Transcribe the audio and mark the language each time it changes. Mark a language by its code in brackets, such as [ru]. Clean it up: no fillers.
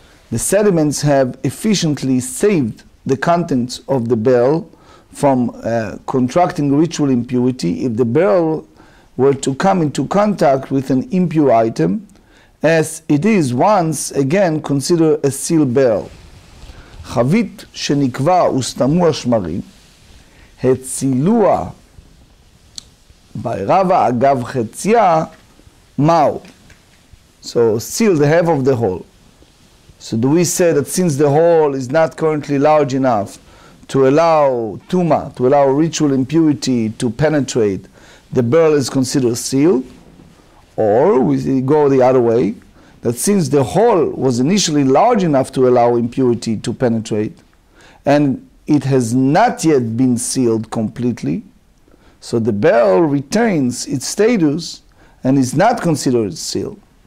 [en] The sediments have efficiently saved the contents of the barrel from contracting ritual impurity if the barrel were to come into contact with an impure item, as it is once again considered a sealed barrel. [he] חבית שנקבע וסתמו השמרים, הצילוה בעירבה אגב חציה, מהו? [en] So, seal the half of the hole. So, do we say that since the hole is not currently large enough to allow tumah, to allow ritual impurity to penetrate, the barrel is considered sealed? Or, we go the other way, that since the hole was initially large enough to allow impurity to penetrate, and it has not yet been sealed completely, so the barrel retains its status and is not considered sealed.